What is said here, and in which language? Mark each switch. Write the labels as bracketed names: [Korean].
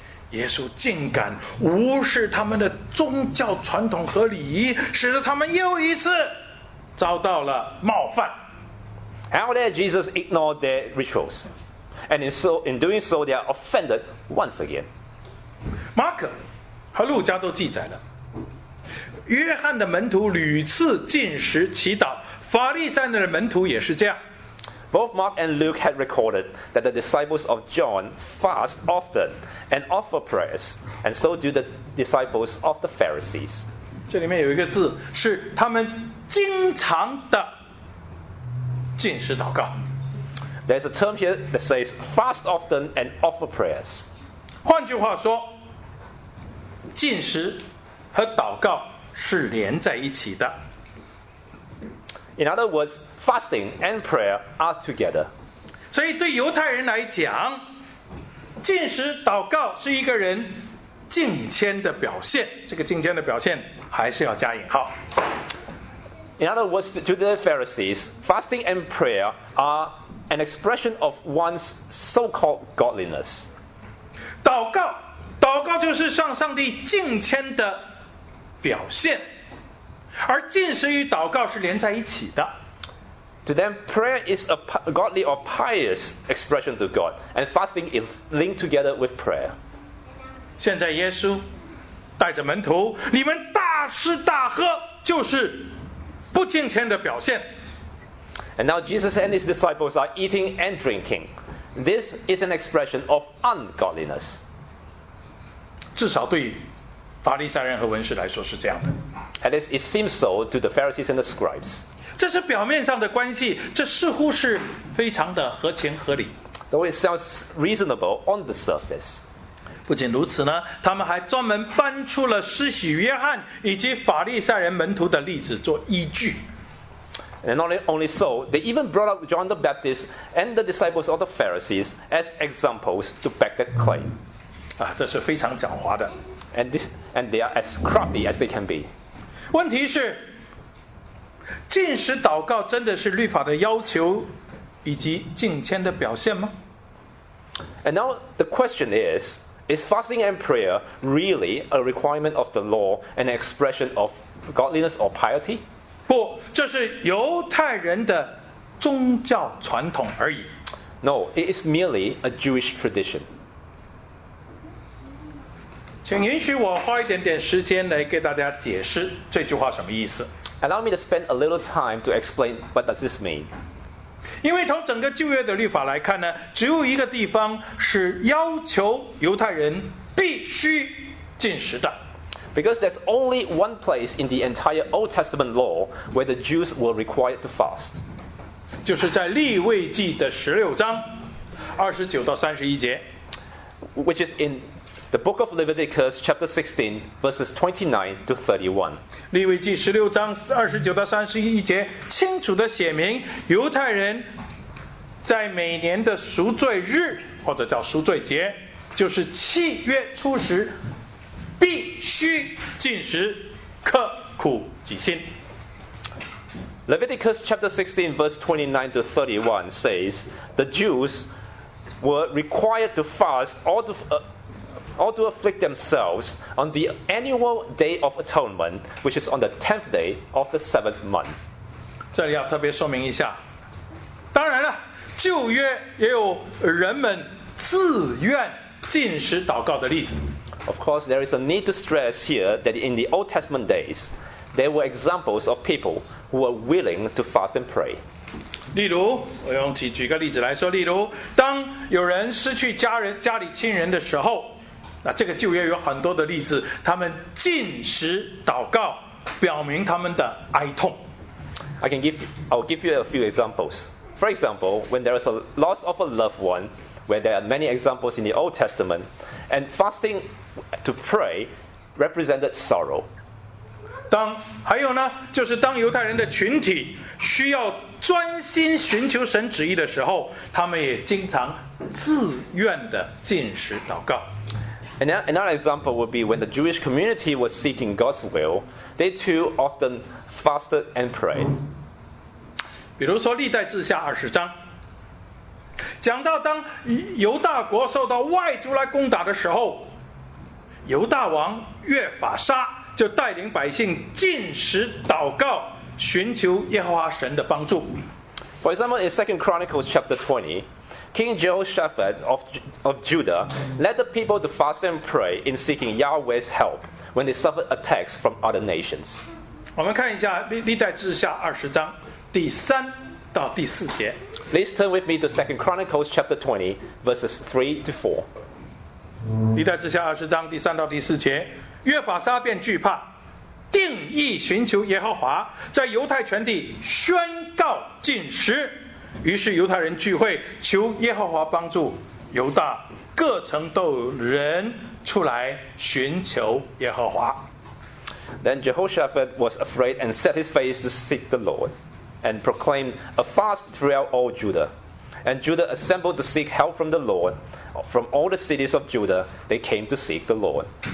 [Chinese] 耶稣竟敢无视他们的宗教传统和礼仪，使得他们又一次遭到了冒犯。 [English] How dare Jesus ignore their rituals? And in doing so, they are offended once again. [Chinese] 马可和路加都记载了，约翰的门徒屡次进食祈祷，法利赛人的门徒也是这样。 [English] Both Mark and Luke had recorded that the disciples of John fast often and offer prayers, and so do the disciples of the Pharisees. [Chinese] 这里面有一个字是他们经常的进食祷告。 [English] There's a term here that says fast often and offer prayers. [Chinese] 换句话说，禁食和祷告是连在一起的。 [English] In other words, fasting and prayer are together. [Chinese] 所以对犹太人来讲，禁食祷告是一个人敬虔的表现。这个敬虔的表现还是要加引号。 [English] In other words, to the Pharisees, fasting and prayer are an expression of one's so-called godliness. [Chinese] 祷告就是向上帝敬虔的表现，而禁食与祷告是连在一起的。 [English] To them, prayer is a godly or pious expression to God, and fasting is linked together with prayer. [Chinese] 现在耶稣带着门徒，你们大吃大喝就是不敬虔的表现。 [English] And now Jesus and his disciples are eating and drinking. This is an expression of ungodliness. [Chinese] 至少对法利赛人和文士来说是这样的。 [English] At least it seems so to the Pharisees and the scribes. [Chinese] 这是表面上的关系，这似乎是非常的合情合理。 [English] Though it sounds reasonable on the surface. [Chinese] 不仅如此呢，他们还专门搬出了施洗约翰以及法利赛人门徒的例子做依据。 [English] And not only so, they even brought up John the Baptist and the disciples of the Pharisees as examples to back that claim. [Chinese] 这是非常狡猾的。 [English] And they are as crafty as they can be. [Chinese] 问题是，禁食祷告真的是律法的要求以及敬虔的表现吗？ [English] And now the question is fasting and prayer really a requirement of the law and an expression of godliness or piety? [Chinese] 不，这是犹太人的宗教传统而已。 [English] No, it is merely a Jewish tradition. [Chinese] 请允许我花一点点时间来给大家解释这句话什么意思。 [English] Allow me to spend a little time to explain what does this mean. [Chinese] 因为从整个旧约的律法来看呢，只有一个地方是要求犹太人必须禁食的。 [English] Because there's only one place in the entire Old Testament law where the Jews were required to fast. [Chinese] 就是在利未记的16章29到31节。 [English] Which is in The book of Leviticus, chapter 16, verses 29 to 31. [Chinese] 利未记十六章二十九到三十一节清楚地写明，犹太人在每年的赎罪日，或者叫赎罪节，就是七月初十，必须禁食，刻苦己心。 [English] Leviticus chapter 16, verse 29 to 31 says, the Jews were required to fast or to afflict themselves on the annual Day of Atonement, which is on the 10th day of the 7th month. [Chinese] 这里要特别说明一下，当然了，旧约也有人们自愿禁食祷告的例子。 [English] Of course, there is a need to stress here that in the Old Testament days, there were examples of people who were willing to fast and pray. [Chinese] 例如，我用举个例子来说，例如，当有人失去家里亲人的时候，那这个旧约有很多的例子，他们禁食祷告，表明他们的哀痛。 [English] I'll give you a few examples. For example, when there is a loss of a loved one, where there are many examples in the Old Testament, and fasting to pray represented sorrow. [Chinese] 还有呢，就是当犹太人的群体需要专心寻求神旨意的时候，他们也经常自愿的禁食祷告。 [English] Another example would be when the Jewish community was seeking God's will, they too often fasted and prayed. [Chinese] 比如说历代志下二十章，讲到当犹大国受到外族来攻打的时候，犹大王约法沙就带领百姓禁食祷告，寻求耶和华神的帮助。 [English] For example, in 2 Chronicles chapter 20, King Jehoshaphat of Judah led the people to fast and pray in seeking Yahweh's help when they suffered attacks from other nations. [Chinese] 我们看一下历代志下二十章第三到第四节。 [English] Please turn with me to 2 Chronicles chapter 20, verses 3 to 4. [Chinese] 历代志下二十章第三到第四节。约法沙便惧怕，定意寻求耶和华，在犹太全地宣告禁食。于是犹太人聚会，求耶和华帮助犹大，各城都有人出来寻求耶和华。 [English] Then Jehoshaphat was afraid and set his face to seek the Lord, and proclaimed a fast throughout all Judah. And Judah assembled to seek help from the Lord. From all the cities of Judah, they came to seek the Lord.